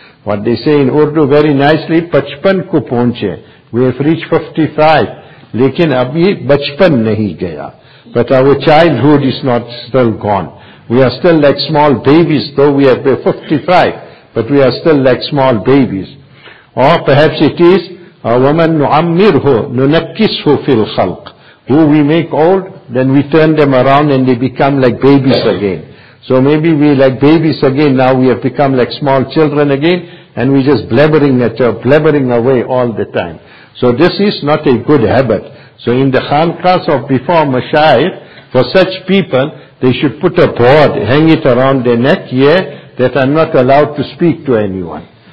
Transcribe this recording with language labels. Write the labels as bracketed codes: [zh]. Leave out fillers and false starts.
[en] What they say in Urdu very nicely, [ur] pachpan ko pahunche. [en] We have reached 55, [ur] lekin abhi bachpan nahi gaya. [en] But our childhood is not still gone. We are still like small babies, though we have been 55, but we are still like small babies. [ar] Or perhaps it is, وَمَن نُعَمِّرْهُ نُنَكِّسْهُ فِي الْخَلْقِ. [en] Who we make old, then we turn them around and they become like babies again. So maybe we like babies again, now we have become like small children again, and we just blabbering away all the time. So this is not a good habit. So in the khanqas of before Mashayikh, for such people, they should put a board, hang it around their neck here, that I'm not allowed to speak to anyone.